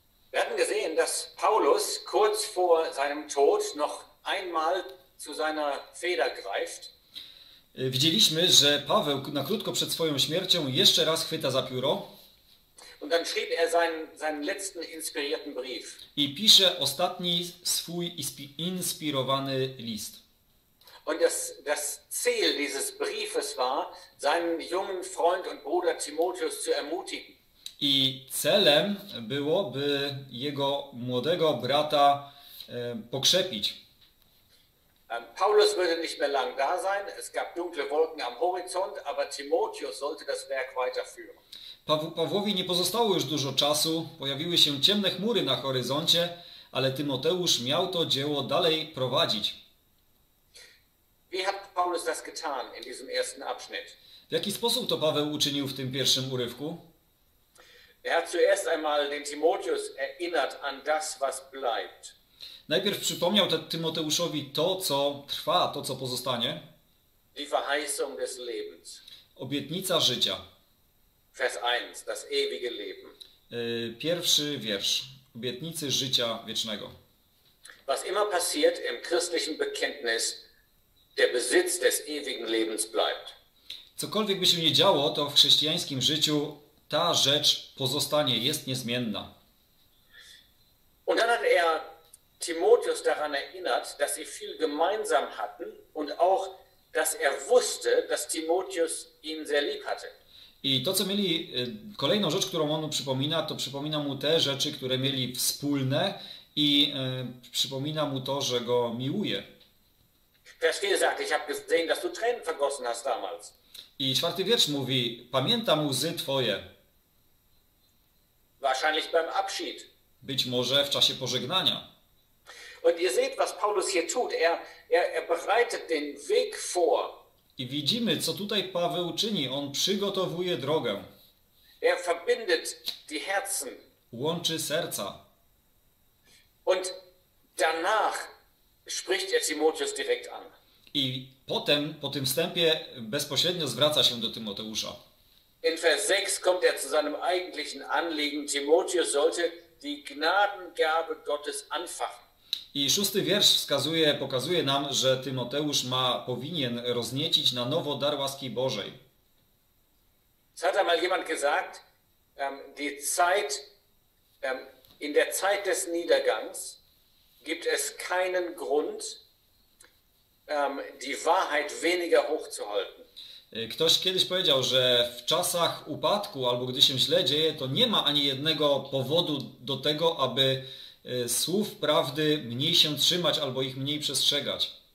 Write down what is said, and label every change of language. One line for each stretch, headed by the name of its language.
German: Wir hatten gesehen, dass Paulus kurz vor seinem Tod noch einmal zu seiner Feder greift.
Polish: Widzieliśmy, że Paweł na krótko przed swoją śmiercią jeszcze raz chwyta za pióro.
German: Und dann schrieb er seinen letzten inspirierten Brief.
Polish: I pisze ostatni swój inspirowany list.
German: Und das Ziel dieses Briefes war, seinen jungen Freund und Bruder Timotheus zu ermutigen.
Polish: I celem było, by jego młodego brata pokrzepić.
German: Paulus würde nicht mehr lang da sein, es gab dunkle Wolken am Horizont, aber Timotheus sollte das Werk weiterführen.
Polish: Pawłowi nie pozostało już dużo czasu, pojawiły się ciemne chmury na horyzoncie, ale Tymoteusz miał to dzieło dalej prowadzić.
German: Wie hat Paulus das getan in diesem ersten Abschnitt?
Polish: W jaki sposób to Paweł uczynił w tym pierwszym urywku?
German: Er hat zuerst einmal den Timotheus erinnert an das, was bleibt.
Polish: Najpierw przypomniał Tymoteuszowi to, co trwa, to, co pozostanie.
German: Die Verheißung des Lebens.
Polish: Obietnica życia.
German: Vers 1, das ewige Leben.
Polish: Pierwszy wiersz. Obietnicy życia wiecznego.
German: Was immer passiert im christlichen Bekenntnis, der Besitz des ewigen Lebens bleibt.
Polish: Cokolwiek by się nie działo, to w chrześcijańskim życiu ta rzecz pozostanie, jest niezmienna.
German: Und dann hat er Timotheus daran erinnert, dass sie viel gemeinsam hatten und auch, dass er wusste, dass Timotheus ihn sehr lieb hatte.
Polish: I to, co mieli, kolejną rzecz, którą on przypomina, to przypomina mu te rzeczy, które mieli wspólne i przypomina mu to, że go miłuje.
German: Vers 4 sagt, ich habe gesehen, dass du Tränen vergossen hast damals.
Polish: I czwarty wiersz mówi, pamiętam łzy twoje.
German: Wahrscheinlich beim Abschied.
Polish: Być może w czasie pożegnania.
German: Und ihr seht, was Paulus hier tut. Er bereitet den Weg vor.
Polish: I widzimy, co tutaj Paweł czyni. On przygotowuje drogę.
German: Er verbindet die Herzen.
Polish: Łączy serca.
German: Und danach spricht er Timotheus direkt an.
Polish: I potem, po tym wstępie, bezpośrednio zwraca się do Tymoteusza.
German: In Vers 6 kommt er zu seinem eigentlichen Anliegen. Timotheus sollte die Gnadengabe Gottes anfachen.
Polish: I szósty wiersz wskazuje, pokazuje nam, że Tymoteusz ma, powinien rozniecić na nowo dar łaski Bożej.
German: Es hat einmal jemand gesagt, die Zeit, in der Zeit des Niedergangs gibt es keinen Grund, die Wahrheit weniger hochzuhalten.
Polish: Ktoś kiedyś powiedział, że w czasach upadku albo gdy się źle dzieje, to nie ma ani jednego powodu do tego, aby słów prawdy mniej się trzymać albo ich mniej przestrzegać.